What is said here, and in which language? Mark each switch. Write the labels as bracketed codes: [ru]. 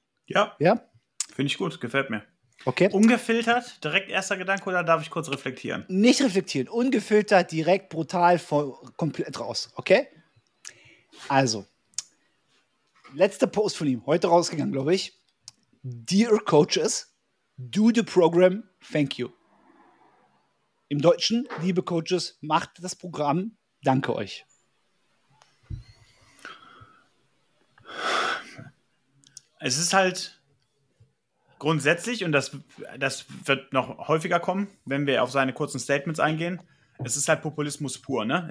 [de] Ja. Ja? Finde ich gut, gefällt mir. Okay. Ungefiltert, direkt erster Gedanke oder darf ich kurz reflektieren? Nicht reflektieren, ungefiltert, direkt, brutal, voll, komplett raus, okay? Also, letzter Post von ihm, heute rausgegangen, glaube ich. [en] Dear Coaches, do the program, thank you. [de] Im Deutschen, liebe Coaches, macht das Programm, danke euch. Es ist halt grundsätzlich, und das wird noch häufiger kommen, wenn wir auf seine kurzen Statements eingehen, es ist halt Populismus pur, ne?